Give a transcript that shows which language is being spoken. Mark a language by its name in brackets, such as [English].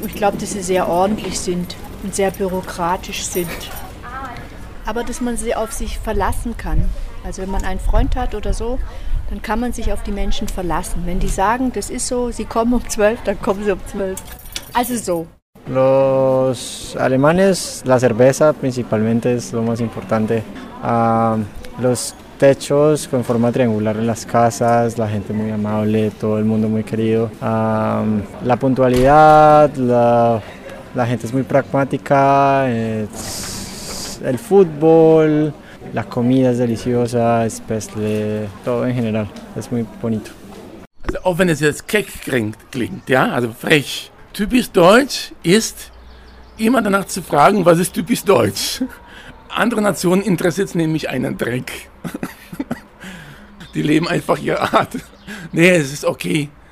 [German] Ich glaube, dass sie sehr ordentlich sind und sehr bürokratisch sind. Aber dass man sie auf sich verlassen kann. Also wenn man einen Freund hat oder so, dann kann man sich auf die Menschen verlassen. Wenn die sagen, das ist so, sie kommen um 12, dann kommen sie um 12. Also so. [Spanish] Los alemanes, la cerveza principalmente es lo más importante. Los techos con forma triangular en las casas, la gente muy amable, todo el mundo muy querido. La puntualidad, la gente es muy pragmática, el fútbol. La comida es deliciosa, Spätzle, todo en general, es muy bonito. [German] Also auch wenn es jetzt keck klingt, ja, also frech. Typisch deutsch ist, immer danach zu fragen, was ist typisch deutsch? Andere Nationen interessiert es nämlich einen Dreck. Die leben einfach ihre Art. Nee, es ist okay.